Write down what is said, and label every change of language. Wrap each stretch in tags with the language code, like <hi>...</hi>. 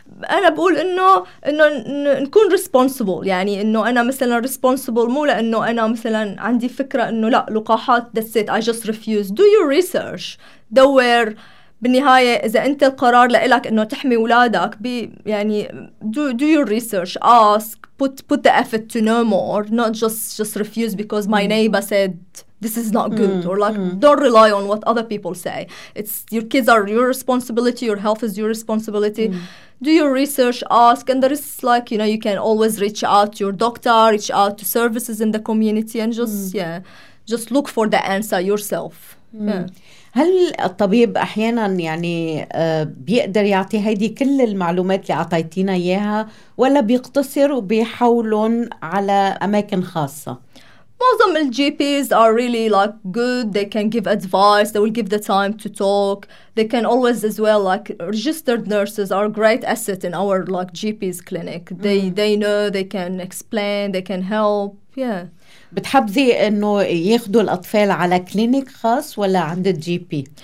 <ar>أنا بقول إنه نكون responsible، يعني إنه أنا مثلا responsible مو لأنه أنا مثلا عندي فكرة إنه لا لقاحات</ar> <en>that's it I just refuse، do your research</en> <ar>دور بالنهاية إذا أنت القرار لإلك إنه تحمي أولادك يعني</ar> <en>do your research ask put the effort to know more not just refuse because my neighbor said this is not good, or like don't rely on what other people say. It's your kids are your responsibility, your health is your responsibility. Do your research, ask, and there is like, you know, you can always reach out to your doctor, reach out to services in the community, and just just look for the answer yourself.</en> <ar>هل الطبيب احيانا يعني بيقدر يعطي هيدي كل المعلومات اللي اعطيتينا اياها ولا بيقتصر وبيحولون على اماكن خاصه؟ معظم الجي بيز</ar> <en>are really like good, they can give advice, they will give the time to talk, they can always as well like registered nurses are great asset in our like GP's clinic. They know, they can explain, they can help.</en> <ar>بتحبذي انه ياخذوا الاطفال على كلينيك خاص ولا عند الجي بي؟</ar>